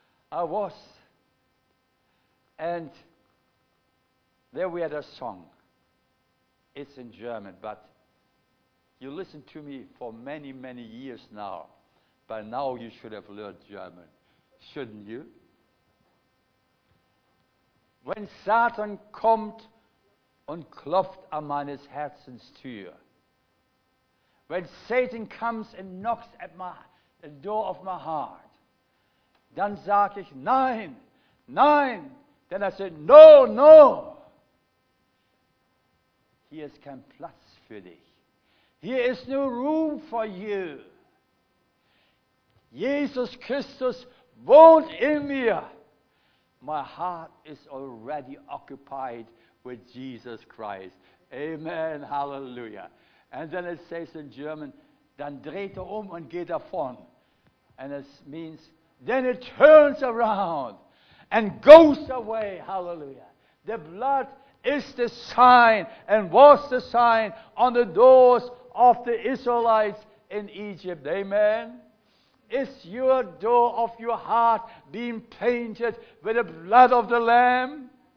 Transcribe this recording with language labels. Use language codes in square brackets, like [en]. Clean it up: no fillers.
[en] I was. And there we had a song. It's in German, but you listen to me for many, many years now. By now you should have learned German, shouldn't you? [de] When Satan kommt und klopft an meines Herzens Tür. [en] When Satan comes and knocks at the door of my heart, [de] dann sag ich, nein, nein. [en] Then I said, no, no. [de] Hier ist kein Platz für dich. [en] Here is no room for you. [de] Jesus Christus wohnt in mir. [en] My heart is already occupied with Jesus Christ. Amen, hallelujah. And then it says in German, [de] dann dreht und geht davon. [en] And it means, then it turns around and goes away, hallelujah. The blood is the sign and was the sign on the doors of the Israelites in Egypt, amen. Is your door of your heart being painted with the blood of the Lamb?